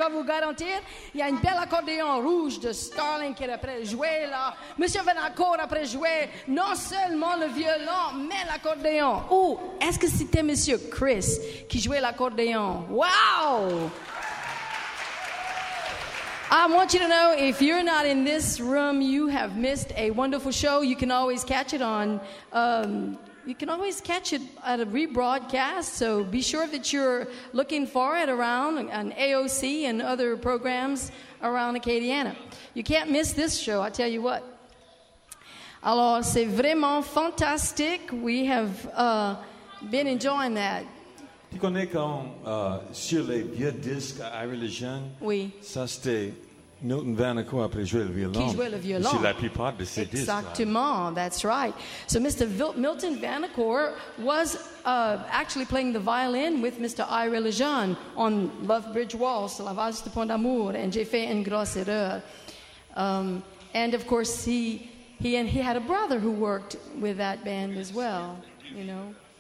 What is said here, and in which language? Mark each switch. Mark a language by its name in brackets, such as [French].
[French] vais vous garantir, il y a une belle accordéon rouge de Starling qui est après joué là. Monsieur Vanacore après joué non seulement le violon, mais l'accordéon. Ou est-ce que c'était Monsieur Chris qui jouait l'accordéon? Wow! [English] I want you to know, if you're not in this room, you have missed a wonderful show. You can always catch it on, you can always catch it at a rebroadcast. So be sure that you're looking for it around on AOC and other programs around Acadiana. You can't miss this show, I tell you what. [French] Alors, c'est vraiment fantastique. [English] We have been enjoying that. [French] Tu connais quand sur les vieux disques à Ira Lejeune, oui. Ça c'était Milton Vanacore après jouer le violon. Qui jouait le violon. C'est la plupart de ces Exactement, disques. [English] Exactement, that's right. So Mr. Milton Vanacore was actually playing the violin with Mr. Ira Lejeune on Love Bridge Waltz, La Valse de Pont d'Amour, and J'ai fait une grosse erreur. And of course he had a brother who worked with that band as well, you know.